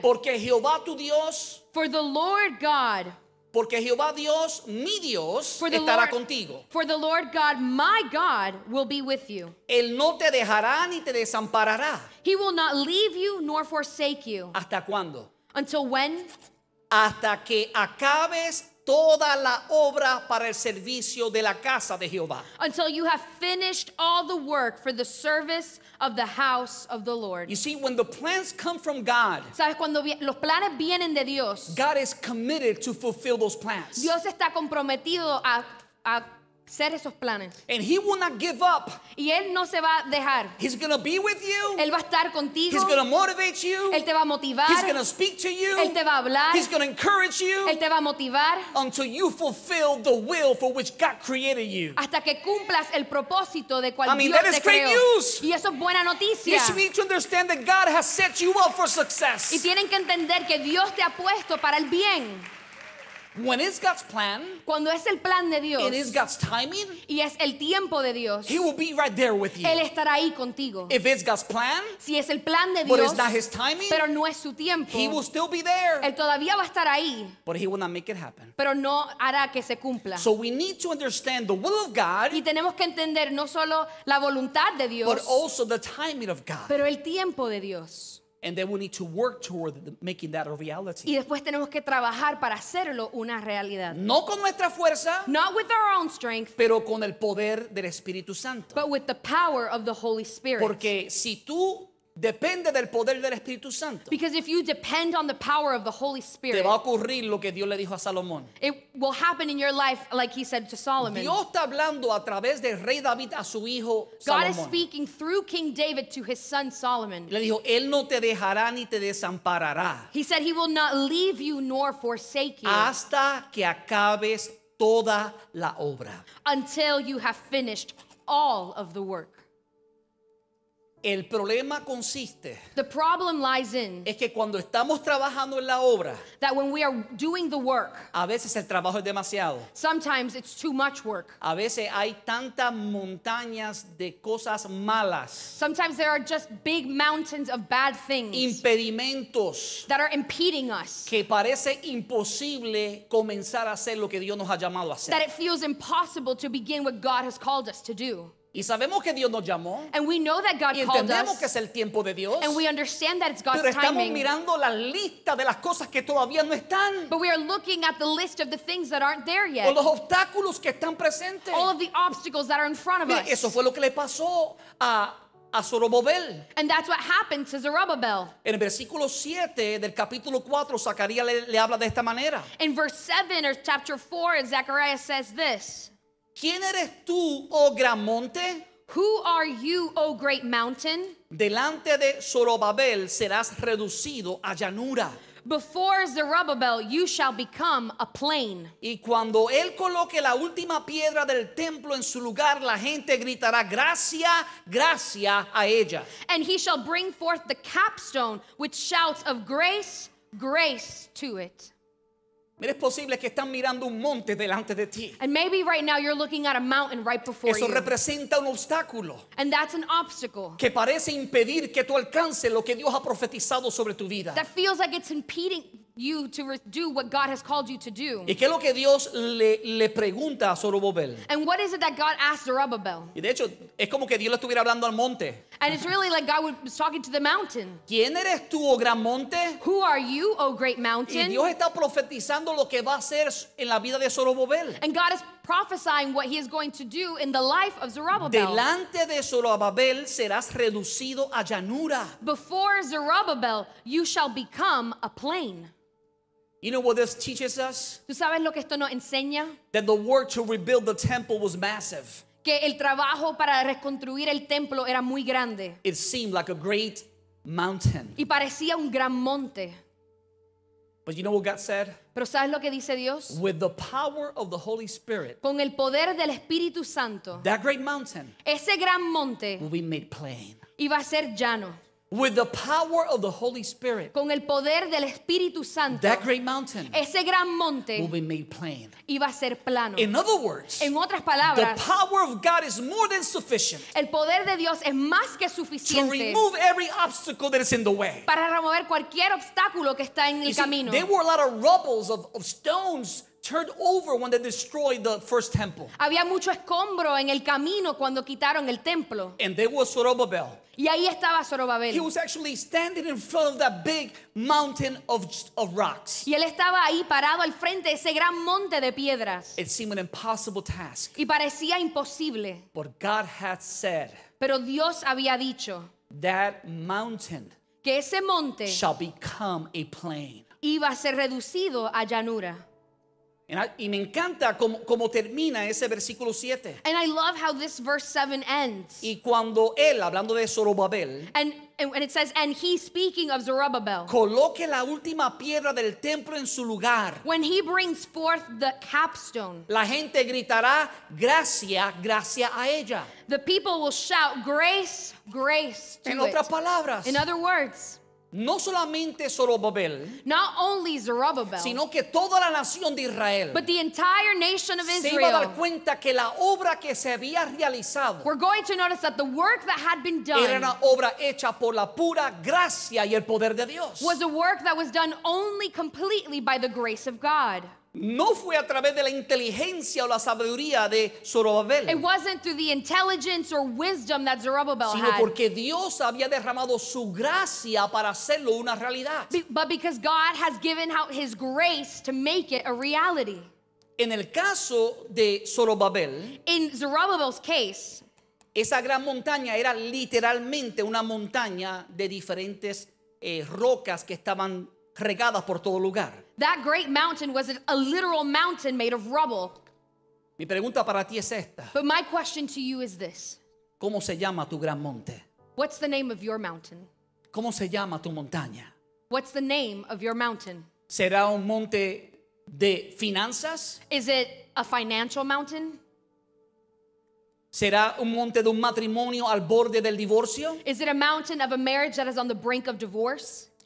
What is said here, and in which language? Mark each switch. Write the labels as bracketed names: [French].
[Spanish] Porque Jehová tu Dios. [English] For the Lord God. [Spanish] Porque Jehová Dios, mi Dios, estará contigo. [English] For the Lord God, my God, will be with you. [Spanish] Él no te dejará ni te desamparará. [English] He will not leave you nor forsake you. [Spanish] ¿Hasta cuándo? [English] Until when? [Spanish] Hasta que acabes toda la obra para el servicio de la casa de Jehová. [English] Until you have finished all the work for the service of the house of the Lord. You see, when the plans come from God, [Spanish] ¿sabes? Cuando los planes vienen de Dios, [English] God is committed to fulfill those plans. [Spanish] Dios está comprometido a hacer esos planes. [English] And he will not give up. [Spanish] Y él no se va a dejar. [English] He's going to be with you. [Spanish] Él va a estar contigo. [English] He's going to motivate you. [Spanish] Él te va a motivar. [English] He's going to speak to you. [Spanish] Él te va a hablar. [English] He's going to encourage you. [Spanish] Él te va a motivar. [English] Until you fulfill the will for which God created you. [Spanish] Hasta que cumplas el propósito de cual Dios te creó. [English] I mean, that is great news. [Spanish] Y eso es buena noticia. [English] You need to understand that God has set you up for success. [Spanish] Y tienen que entender que Dios te ha puesto para el bien. [English] When it's God's plan, [Spanish] cuando es el plan de Dios, [English] it is God's timing, [Spanish] y es el tiempo de Dios, [English] he will be right there with you. [Spanish] Él estará ahí contigo. [English] If it's God's plan, [Spanish] si es el plan de [English] but [Spanish] Dios, [English] it's not his timing, [Spanish] pero no es su tiempo, [English] he will still be there. [Spanish] Él todavía va a estar ahí, [English] but he will not make it happen. [Spanish] Pero no hará que se cumpla. [English] So we need to understand the will of God, [Spanish] y tenemos que entender no solo la voluntad de Dios, [English] but also the timing of God. [Spanish] Pero el tiempo de Dios. [English] And then we need to work toward making that a reality. [Spanish] Y después tenemos que trabajar para hacerlo una realidad. No con nuestra fuerza. [English] Not with our own strength. [Spanish] Pero con el poder del Espíritu Santo. [English] But with the power of the Holy Spirit. [Spanish] Porque si tú depende del poder del Espíritu Santo. [English] Because if you depend on the power of the Holy Spirit. [Spanish] Te va a ocurrir lo que Dios le dijo a Salomón. [English] It will happen in your life like he said to Solomon. [Spanish] Dios está hablando a través del rey David a su hijo Salomón. [English] God is speaking through King David to his son Solomon. [Spanish] Le dijo, él no te dejará ni te desamparará. [English] He said he will not leave you nor forsake you. [Spanish] Hasta que acabes toda la obra. [English] Until you have finished all of the work. [Spanish] El problema consiste [English] the problem lies in [Spanish] es que cuando estamos trabajando en la obra [English] that when we are doing the work [Spanish] a veces el trabajo es demasiado [English] sometimes it's too much work [Spanish] a veces hay tantas montañas de cosas malas [English] sometimes there are just big mountains of bad things [Spanish] impedimentos [English] that are impeding us [Spanish] que parece imposible comenzar a hacer lo que Dios nos ha llamado a hacer [English] that it feels impossible to begin what God has called us to do. [Spanish] Y sabemos que Dios nos llamó. [English] And we know that God called us. [Spanish] Y entendemos que es el tiempo de Dios. [English] And we understand that it's God's timing. [Spanish] Pero estamos mirando la lista de las cosas que todavía no están. [English] But we are looking at the list of the things that aren't there yet. [Spanish] O los obstáculos que están presentes. [English] All of the obstacles that are in front of us. [Spanish] Eso fue lo que le pasó a Zorobabel. [English] And that's what happened to Zerubbabel. [Spanish] En el versículo 7 del capítulo 4, Zacarías le habla de esta manera. [English] In verse 7 or chapter 4, Zechariah says this. [Spanish] ¿Quién eres tú, oh gran monte? [English] Who are you, oh great mountain? [Spanish] Delante de Zorobabel serás reducido a llanura. [English] Before Zerubbabel, you shall become a plain. [Spanish] Y cuando él coloque la última piedra del templo en su lugar, la gente gritará, gracia, gracia a ella. [English] And he shall bring forth the capstone with shouts of grace, grace to it. [Spanish] Mira, es posible que están mirando un monte delante de ti. [English] And maybe right now you're looking at a mountain right before [Spanish] eso [English] you. [Spanish] Eso representa un obstáculo. [English] And that's an obstacle. [Spanish] Que parece impedir que tú alcances lo que Dios ha profetizado sobre tu vida. [English] That feels like it's impeding you to do what God has called you to do. [Spanish] ¿Y qué es lo que Dios le pregunta a Zorobabel? [English] And what is it that God asked Zerubbabel? [Spanish] Y de hecho, es como que Dios le estuviera hablando al monte. [English] And it's really like God was talking to the mountain. [Spanish] ¿Quién eres tú, oh gran monte? [English] Who are you, O great mountain? [Spanish] Y Dios está profetizando lo que va a hacer en la vida de Zorobabel. [English] And God is prophesying what he is going to do in the life of Zerubbabel. [Spanish] Delante de Zorobabel serás reducido a llanura. [English] Before Zerubbabel, you shall become a plain. You know what this teaches us? [Spanish] ¿Tú sabes lo que esto nos enseña? [English] That the work to rebuild the temple was massive. [Spanish] Que el trabajo para reconstruir el templo era muy grande. [English] It seemed like a great mountain. [Spanish] Y parecía un gran monte. [English] But you know what God said? [Spanish] Pero ¿sabes lo que dice Dios? [English] With the power of the Holy Spirit. [Spanish] Con el poder del Espíritu Santo. [English] That great mountain. [Spanish] Ese gran monte. [English] Will be made plain. [Spanish] Iba a ser llano. [English] With the power of the Holy Spirit. [Spanish] Con el poder del Espíritu Santo. [English] That great mountain. [Spanish] Ese gran monte. [English] Will be made plain. [Spanish] Iba a ser plano. [English] In other words. [Spanish] En otras palabras. [English] The power of God is more than sufficient. [Spanish] El poder de Dios es más que suficiente. [English] To remove every obstacle that is in the way. [Spanish] Para remover cualquier obstáculo que está en el camino. [English] There were a lot of rubbles of stones turned over when they destroyed the first temple. [Spanish] Había mucho escombro en el camino cuando quitaron el templo. [English] And there was Zerubbabel. [Spanish] Y ahí estaba Zorobabel. [English] He was actually standing in front of that big mountain of rocks. [Spanish] Y él estaba ahí parado al frente de ese gran monte de piedras. [English] It seemed an impossible task. [Spanish] Y parecía imposible. [English] But God had said. [Spanish] Pero Dios había dicho. [English] That mountain. [Spanish] Que ese monte. [English] Shall become a plain. [Spanish] Iba a ser reducido a llanura. Y me encanta cómo termina ese versículo 7. [English] And I love how this verse 7 ends. [Spanish] Y cuando él, hablando de Zorobabel, [English] and it says, and he, speaking of Zerubbabel, [Spanish] coloque la última piedra del templo en su lugar. [English] When he brings forth the capstone, [Spanish] la gente gritará, gracia, gracia a ella. [English] The people will shout, grace, grace to it. [Spanish] En otras palabras. [English] In other words. [Spanish] No solamente Zorobabel, [English] not only Zerubbabel, [Spanish] sino que toda la nación de Israel, [English] but the entire nation of Israel, [Spanish] se iba a dar cuenta que la obra que se había realizado, [English] we're going to notice that the work that had been done, [Spanish] era una obra hecha por la pura gracia y el poder de Dios, [English] was a work that was done only completely by the grace of God. [Spanish] No fue a través de la inteligencia o la sabiduría de Zorobabel. [English] It wasn't through the intelligence or wisdom that Zerubbabel [Spanish] sino [English] had. [Spanish] Sino porque Dios había derramado su gracia para hacerlo una realidad. [English] But because God has given out his grace to make it a reality. [Spanish] En el caso de Zorobabel, [English] in Zerubbabel's case, [Spanish] esa gran montaña era literalmente una montaña de diferentes rocas que estaban regadas por todo lugar. [English] That great mountain was a literal mountain made of rubble. [Spanish] Mi pregunta para ti es esta. [English] But my question to you is this. [Spanish] ¿Cómo se llama tu gran monte? [English] What's the name of your mountain? [Spanish] ¿Cómo se llama tu montaña? [English] What's the name of your mountain? [Spanish] ¿Será un monte de finanzas? [English] Is it a financial mountain? [Spanish] ¿Será un monte de un matrimonio al borde del divorcio? [English] Is it a mountain of a marriage that is on the brink of divorce?